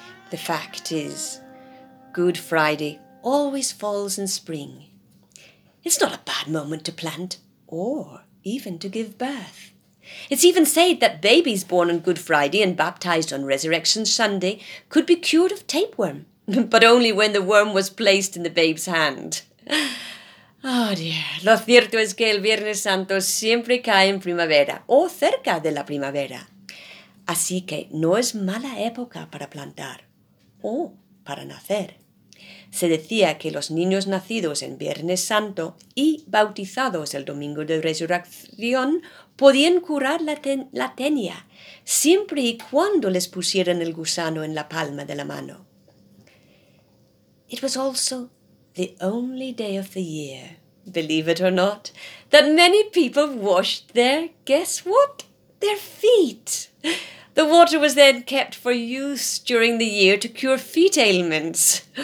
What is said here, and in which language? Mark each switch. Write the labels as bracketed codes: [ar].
[en] The fact is, Good Friday always falls in spring. It's not a bad moment to plant, or even to give birth. It's even said that babies born on Good Friday and baptized on Resurrection Sunday could be cured of tapeworm, but only when the worm was placed in the babe's hand. [es] Oh dear, lo cierto es que el Viernes Santo siempre cae en primavera, o cerca de la primavera. Así que no es mala época para plantar. O para nacer. Se decía que los niños nacidos en Viernes Santo y bautizados el Domingo de Resurrección podían curar la tenia siempre y cuando les pusieran el gusano en la palma de la mano. [en] It was also the only day of the year, believe it or not, that many people washed their, guess what, their feet. The water was then kept for use during the year to cure feet ailments.